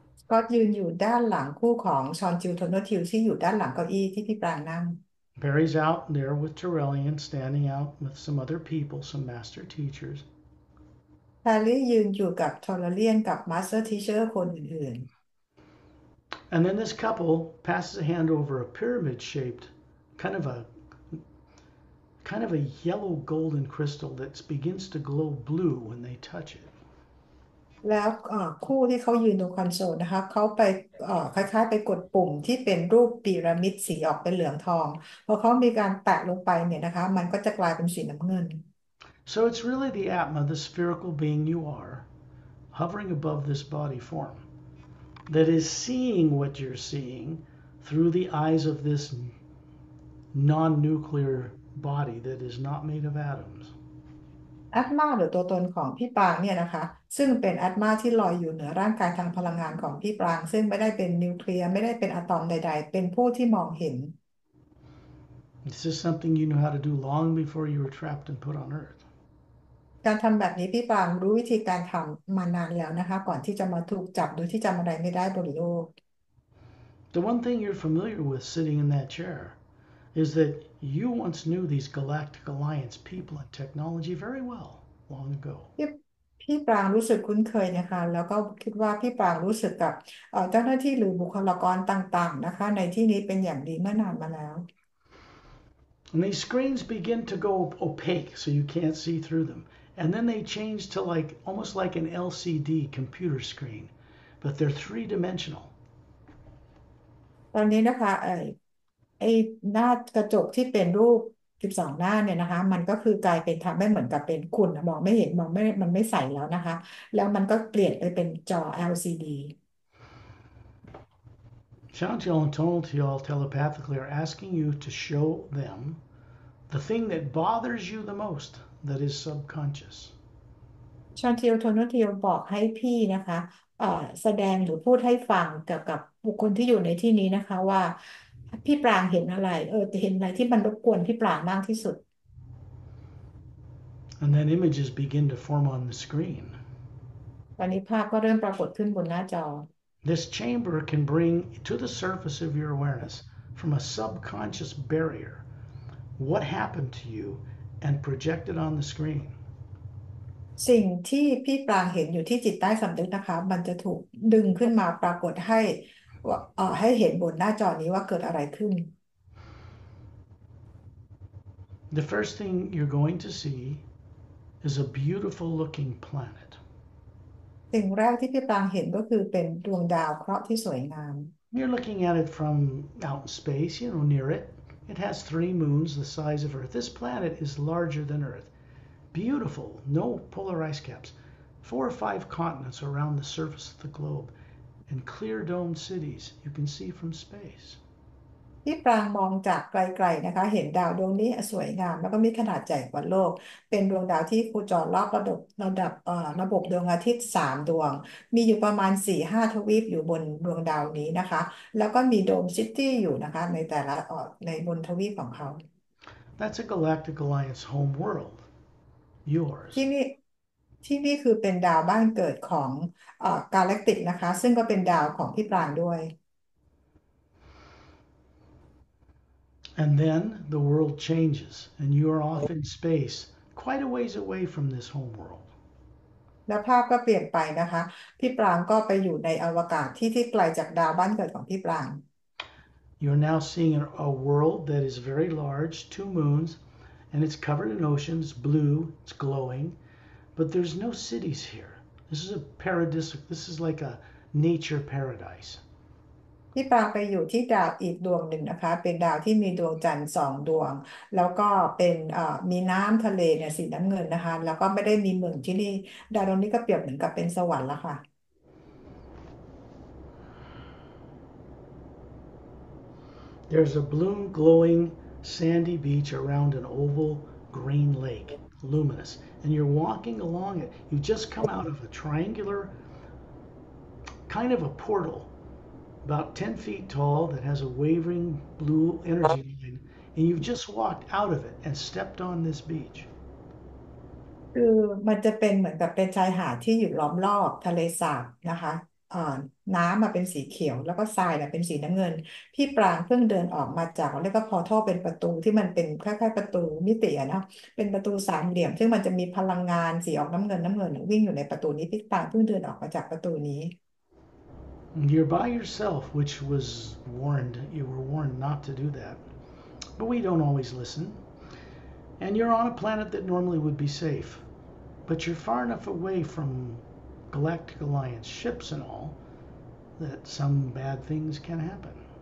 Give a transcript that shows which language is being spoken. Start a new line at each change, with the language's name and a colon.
Thai: ก็ยืนอยู่ด้านหลังคู่ของชอนจิวโทนทิวที่อยู่ด้านหลังเก้าอี้ที่พี่ปรางนั่ง
English: Barry's out there with Terrellian, standing out with some other people, some master teachers.
Thai: แพรี่ยืนอยู่กับทอร์เรียนกับมาสเตอร์ทีเชอร์คนอื่น
English: And then this couple passes a hand over a pyramid-shaped, kind of a yellow golden crystal that begins to glow blue when they touch it.
Thai: แล้วคู่ที่เขายืนตรงคอนโซลนะคะเขาไปคล้ายๆไปกดปุ่มที่เป็นรูปพีระมิดสีออกเป็นเหลืองทองพอเขามีการแตะลงไปเนี่ยนะคะมันก็จะกลายเป็นสีน้ำเงิน
English: So it's really the Atma, the spherical being you are, hovering above this body form, that is seeing what you're seeing through the eyes of this non-nuclear body that is not made of atoms.
Thai: อาตมาหรือตัวตนของพี่ปางเนี่ยนะคะซึ่งเป็นอาตมาที่ลอยอยู่เหนือร่างกายทางพลังงานของพี่ปางซึ่งไม่ได้เป็นนิวเคลียร์ไม่ได้เป็นอะตอมใดๆเป็นผู้ที่มองเห็น
English: This is something you knew how to do long before you were trapped and put on Earth.
Thai: การทำแบบนี้พี่ปางรู้วิธีการทำมานานแล้วนะคะก่อนที่จะมาถูกจับโดยที่จำอะไรไม่ได้บนโลก
English: The one thing you're familiar with sitting in that chair is that you once knew these Galactic Alliance people and technology very well long ago.
Thai: พี่ปรางรู้สึกคุ้นเคยนะคะแล้วก็คิดว่าพี่ปรางรู้สึกกับเจ้าหน้าที่หรือบุคลากรต่างๆนะคะในที่นี้เป็นอย่างดีเมื่อนานมาแล้ว
English: And these screens begin to go opaque so you can't see through them. And then they change to like almost like an LCD computer screen, but they're three-dimensional.
Thai: ตอนนี้นะคะไอ้หน้ากระจกที่เป็นรูป12หน้าเนี่ยนะคะมันก็คือกลายเป็นทำให้เหมือนกับเป็นคุณมองไม่เห็นมองไม่มันไม่ใสแล้วนะคะแล้วมันก็เปลี่ยนไปเป็นจอ LCD
English: Chantiel and Tonaltiel telepathically are asking you to show them the thing that bothers you the most that is subconscious.
Thai: Chantiel and Tonaltiel บอกให้พี่นะคะแสดงหรือพูดให้ฟังเกี่ยวกับบุคคลที่อยู่ในที่นี้นะคะว่าพี่ปรางเห็นอะไรจะเห็นอะไรที่มันรบกวนพี่ปรางมากที่สุด
English: And then images begin to form on the screen.
Thai: ตอนนี้ภาพก็เริ่มปรากฏขึ้นบนหน้าจอ
English: This chamber can bring to the surface of your awareness from a subconscious barrier what happened to you and project it on the screen.
Thai: สิ่งที่พี่ปรางเห็นอยู่ที่จิตใต้สำนึกนะคะมันจะถูกดึงขึ้นมาปรากฏให้ให้เห็นบนหน้าจอนี้ว่าเกิดอะไรขึ้น
English: The first thing you're going to see is a beautiful looking planet.
Thai: สิ่งแรกที่พี่ปรางเห็นก็คือเป็นดวงดาวเคราะห์ที่สวยงาม
English: You're looking at it from out in space, you know, near it. It has three moons the size of Earth. This planet is larger than Earth. Beautiful, no polar ice caps. Four or five continents around the surface of the globe, and clear domed cities you can see from space.
Thai: ที่ปรางมองจากไกลๆนะคะเห็นดาวดวงนี้สวยงามแล้วก็มีขนาดใหญ่กว่าโลกเป็นดวงดาวที่โคจรรอบระบบระบบดวงอาทิตย์3ดวงมีอยู่ประมาณ4-5ทวีปอยู่บนดวงดาวนี้นะคะแล้วก็มีโดมซิตี้อยู่นะคะในแต่ละในบนทวีปของเขา
English: That's a Galactic Alliance home world, yours.
Thai: ที่นี่คือเป็นดาวบ้านเกิดของกาแล็กติกนะคะซึ่งก็เป็นดาวของที่ปรางด้วย
English: And then the world changes, and you are off in space, quite a ways away from this home world.
Thai: แล้วภาพก็เปลี่ยนไปนะคะพี่ปรางก็ไปอยู่ในอวกาศที่ไกลจากดาวบ้านเกิดของพี่ปราง
English: You're now seeing a world that is very large, two moons, and it's covered in oceans, blue, it's glowing, but there's no cities here. This is a paradise, this is like a nature paradise.
Thai: พี่ปรางไปอยู่ที่ดาวอีกดวงหนึ่งนะคะเป็นดาวที่มีดวงจันทร์สองดวงแล้วก็เป็นมีน้ำทะเลเนี่ยสีน้ำเงินนะคะแล้วก็ไม่ได้มีเมืองที่นี่ดาวตรงนี้ก็เปรียบเหมือนกับเป็นสวรรค์ละค่ะ
English: There's a blue glowing sandy beach around an oval green lake, luminous. And you're walking along it. You've just come out of a triangular kind of a portal, about 10 feet tall, that has a wavering blue energy line. And you've just walked out of it and stepped on this beach.
Thai: คือมันจะเป็นเหมือนกับเป็นชายหาดที่อยู่ล้อมรอบทะเลสาบนะคะน้ำมาเป็นสีเขียวแล้วก็ทรายเนี่ยเป็นสีน้ำเงินพี่ปรางเพิ่งเดินออกมาจากเรียกว่าพอร์ทัลเป็นประตูที่มันเป็นคล้ายๆประตูมิติอะนะเป็นประตูสามเหลี่ยมซึ่งมันจะมีพลังงานสีออกน้ำเงินน้ำเงินวิ่งอยู่ในประตูนี้พี่ปรางเพิ่งเดินออกมาจากประตูนี้
English: You're by yourself, which was warned, you were warned not to do that. But we don't always listen. And you're on a planet that normally would be safe. But you're far enough away from Galactic Alliance ships and all that some bad things can happen.